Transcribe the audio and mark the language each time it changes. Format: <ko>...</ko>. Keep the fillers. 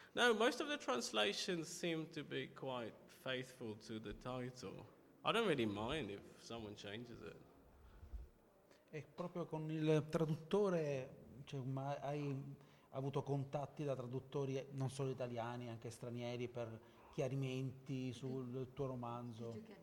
<it>No, la maggior parte delle traduzioni sembra essere</it> <en>quite faithful</en> <it>al titolo.</it> <en>I don't really mind if someone changes it.</en> <it>E proprio con il traduttore cioè, hai avuto contatti da traduttori non solo italiani, anche stranieri, per chiarimenti sul tuo romanzo?</it>